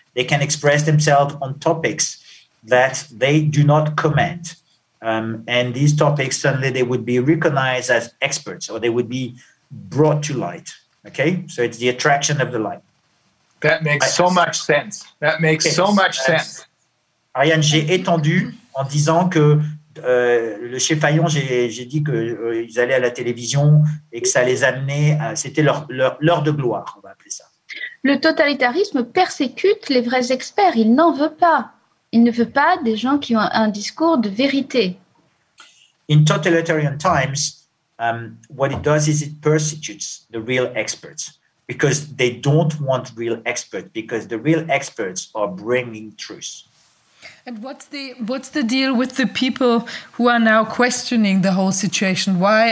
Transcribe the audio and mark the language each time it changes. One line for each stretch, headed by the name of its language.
English: They can express themselves on topics that they do not comment. And these topics, suddenly they would be recognized as experts, or they would be brought to light. Okay, so it's the attraction of the light. That makes so much sense. That makes so much sense.
French: Ariane, j'ai étendu en disant que le chef Fayon, j'ai dit qu'ils allaient à la télévision et que ça les amenait, c'était leur de gloire, on va appeler ça. Le totalitarisme persécute les vrais experts, il n'en veut pas. Il ne veut pas des gens qui ont un discours de vérité.
English: In totalitarian times, what it does is it persecutes the real experts, because they don't want real experts, because the real experts are bringing truth. And what's the deal with the people who are now questioning the whole situation? Why?